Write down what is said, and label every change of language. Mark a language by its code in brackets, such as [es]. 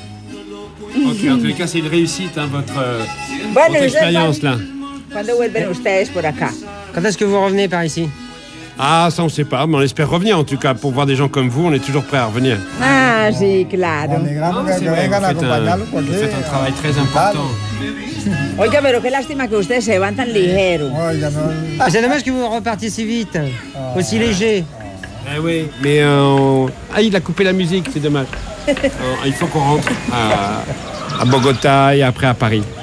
[fr] Ok, en tous les cas, c'est une réussite, hein, votre expérience, là. Quand est-ce que vous revenez par ici? Ah, ça, on ne sait pas, mais on espère revenir, en tout cas, pour voir des gens comme vous, on est toujours prêts à revenir. [es] Ah, si, claro. [fr] Vous faites un travail très important. [es] Oiga, pero qué lástima que ustedes se van tan ligero. [fr] C'est dommage que vous repartiez si vite, aussi léger. Eh oui, mais... Ah, il a coupé la musique, c'est dommage. Il faut qu'on rentre à Bogota et après à Paris.